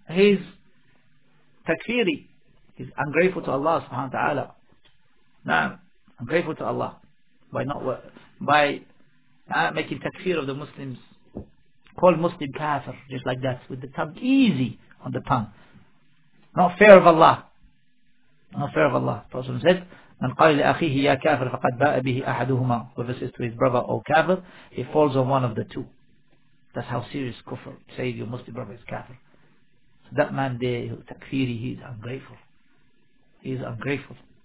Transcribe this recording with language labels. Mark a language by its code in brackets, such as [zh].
[en] He's takfiri. He's ungrateful to Allah subhanahu wa ta'ala. Now, ungrateful to Allah by making takfir of the Muslims. Call Muslim kafir, just like that, with the tongue easy. On the tongue. Not fear of Allah. Not fear of Allah. The Prophet said, [ar] من قال لأخيه يا كافر فقد باء به أحدهما. [en] Whoever says to his brother, O kafir, he falls on one of the two. That's how serious kufr. Say your Muslim brother is kafir. So that man there, takfiri, he is ungrateful. He is ungrateful.